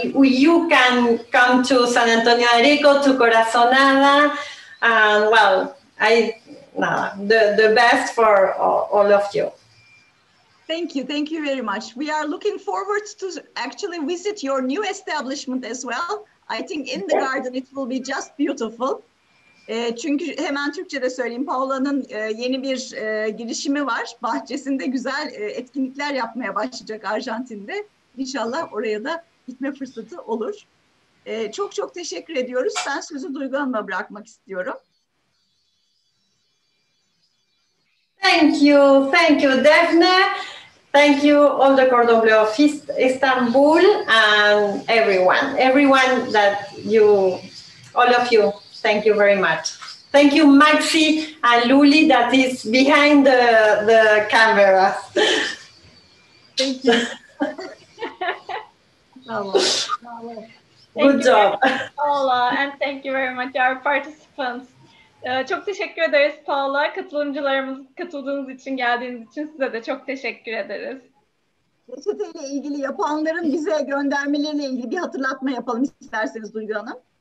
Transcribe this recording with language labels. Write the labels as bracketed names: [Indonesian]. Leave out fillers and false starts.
[English] You can come to San Antonio Areco, to Corazonada, and well, the best for all of you. Thank you. Thank you very much. We are looking forward to actually visit your new establishment as well. I think in the garden it will be just beautiful. [Turkish] Çünkü hemen Türkçe'de söyleyeyim, Paula'nın yeni bir girişimi var. Bahçesinde güzel etkinlikler yapmaya başlayacak Arjantin'de. İnşallah oraya da gitme fırsatı olur. Çok çok teşekkür ediyoruz. Ben sözü Duygu Hanım'a bırakmak istiyorum. [English] Thank you, Daphne. Thank you, all the Cordon Bleu of Istanbul and everyone that you, all of you, thank you very much. Thank you, Maxi and Luli, that is behind the camera. Thank you. Good job. Paula, and thank you very much, our participants. [Turkish] Çok teşekkür ederiz Paula. Katılımcılarımız katıldığınız için, geldiğiniz için size de çok teşekkür ederiz. Reçete ile ilgili yapanların bize göndermeleriyle ilgili bir hatırlatma yapalım isterseniz Duygu Hanım.